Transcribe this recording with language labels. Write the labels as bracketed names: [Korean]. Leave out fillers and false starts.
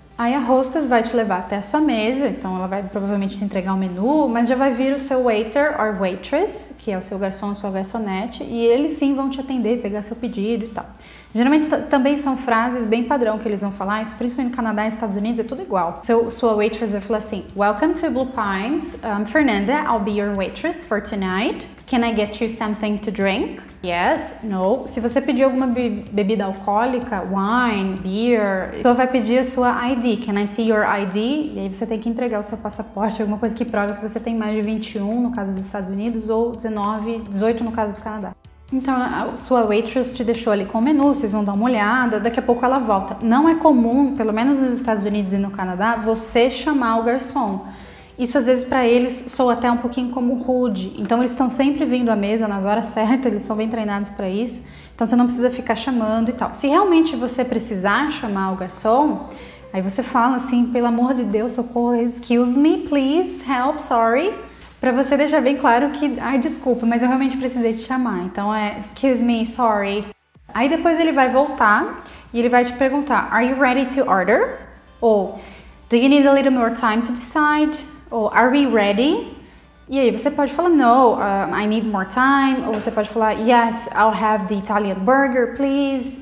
[Portuguese] Aí a hostess vai te levar até a sua mesa, então ela vai provavelmente te entregar o menu, mas já vai vir o seu [English] waiter or waitress, [Portuguese] que é o seu garçom ou sua garçonete, e eles sim vão te atender, pegar seu pedido e tal. Geralmente também são frases bem padrão que eles vão falar, isso principalmente no Canadá e Estados Unidos é tudo igual. Sua waitress vai falar assim: [English] Welcome to Blue Pines, I'm Fernanda, I'll be your waitress for tonight. Can I get you something to drink? Yes, no. [Portuguese] Se você pedir alguma bebida alcoólica, wine, beer, você vai pedir a sua ID. [English] Can I see your ID? [Portuguese] E aí você tem que entregar o seu passaporte, alguma coisa que prove que você tem mais de 21, no caso dos Estados Unidos, ou 19, 18 no caso do Canadá. Então, a sua waitress te deixou ali com o menu, vocês vão dar uma olhada, daqui a pouco ela volta. Não é comum, pelo menos nos Estados Unidos e no Canadá, você chamar o garçom. Isso às vezes para eles soa até um pouquinho como rude. Então eles estão sempre vindo à mesa nas horas certas, eles são bem treinados para isso. Então você não precisa ficar chamando e tal. Se realmente você precisar chamar o garçom, aí você fala assim: pelo amor de Deus, socorro, [English] excuse me, please, help, sorry. [Portuguese] Para você deixar bem claro que, ai, desculpa, mas eu realmente precisei te chamar. Então é [English] excuse me, sorry. [Portuguese] Aí depois ele vai voltar e ele vai te perguntar: [English] Are you ready to order? Ou Do you need a little more time to decide? Ou Are we ready? [Portuguese] E aí você pode falar: [English] No, I need more time. [Portuguese] Ou você pode falar: [English] Yes, I'll have the Italian burger, please.